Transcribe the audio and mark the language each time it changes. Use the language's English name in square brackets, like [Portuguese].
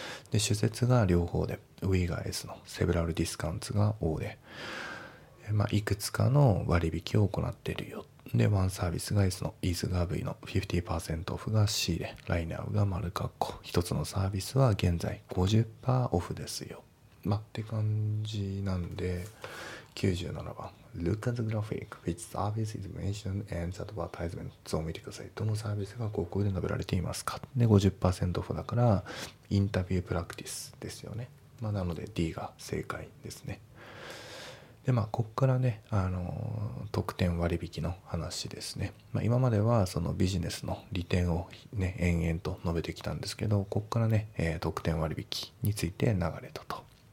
[Japanese] で、主節が両方で、ウィーが S の、セブラルディスカウンツが O で、まあ、いくつかの割引を行っているよ。で、ワンサービスが S の、イズが V の 50% オフが C で、ライナーが丸括弧、一つのサービスは現在 50% オフですよ。まあ、って感じなんで、97番。 [English] Look at the graphic, which service is mentioned and the advertisement. [Japanese] を見てください。どのサービスが広告で述べられていますか。で、50% オフだから、インタビュープラクティスですよね。まあ、なので D が正解ですね。で、まあ、ここからね、特典割引の話ですね。まあ、今まではそのビジネスの利点をね、延々と述べてきたんですけど、ここからね、特典割引について流れたと。